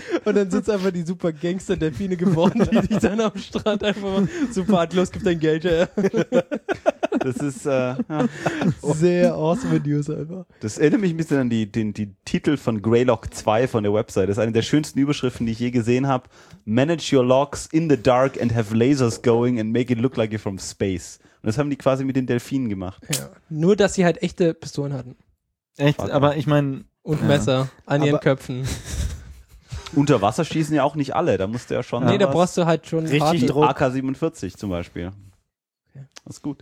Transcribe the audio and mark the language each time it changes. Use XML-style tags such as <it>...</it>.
<de>Und dann sind es einfach die super Gangster-Delfine geworden, die sich dann am Strand einfach mal super hart los, gibt dein Geld her. Das ist sehr awesome News einfach. Das erinnert mich ein bisschen an die Titel von Greylock 2 von der Website. Das ist eine der schönsten Überschriften, die ich je gesehen habe.</de> <en>Manage your locks in the dark and have lasers going and make it look like you're from space.</en> <de>Und das haben die quasi mit den Delfinen gemacht. Ja. Nur, dass sie halt echte Pistolen hatten. Echt? Aber ich meine... Und Messer an ihren Köpfen. Unter Wasser schießen ja auch nicht alle. Da musst du ja schon... Nee, da brauchst du halt schon... Richtig harte. Druck. AK-47 zum Beispiel. Das ist gut.</de>